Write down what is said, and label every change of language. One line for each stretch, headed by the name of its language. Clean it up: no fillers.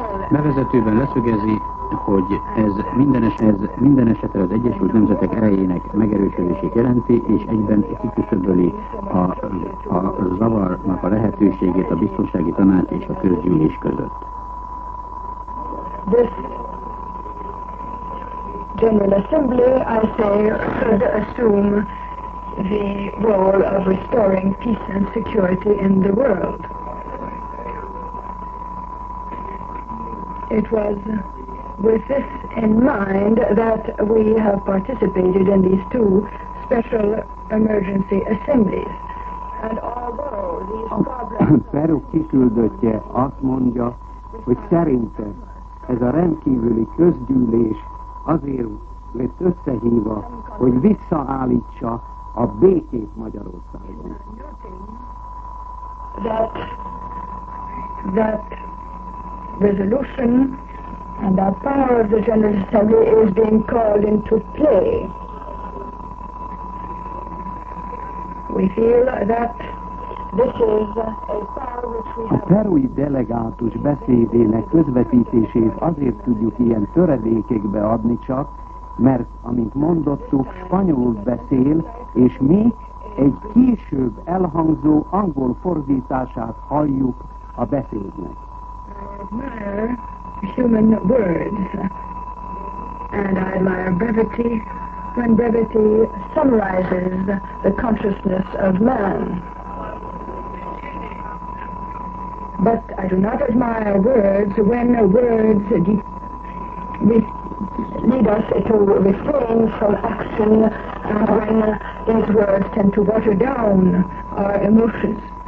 Hungarian: Bevezetőben leszögezi, hogy ez minden esetre az Egyesült Nemzetek erejének megerősödését jelenti, és egyben kiküszöböli a zavarnak a lehetőségét a biztonsági tanács és a közgyűlés között.
English: This General Assembly, I say, should assume the role of restoring peace and security in the world. It was with this in mind that we have participated in these two special emergency assemblies. And although
Hungarian: Peru kiküldöttje azt mondja, hogy szerinte ez a rendkívüli közgyűlés azért lett összehívva, hogy visszaállítsa a békét Magyarországon.
English: That resolution and the power of the General Assembly is being called into play. We feel that this is a power which we have.
Hungarian: A perui delegátus beszédének közvetítését azért tudjuk ilyen töredékekbe adni csak, mert, amint mondottuk, spanyolul beszél, és mi egy később elhangzó angol fordítását halljuk a beszédnek.
English: Admire human words, and I admire brevity when brevity summarizes the consciousness of man. But I do not admire words when words lead us to refrain from action and when these words tend to water down our emotions.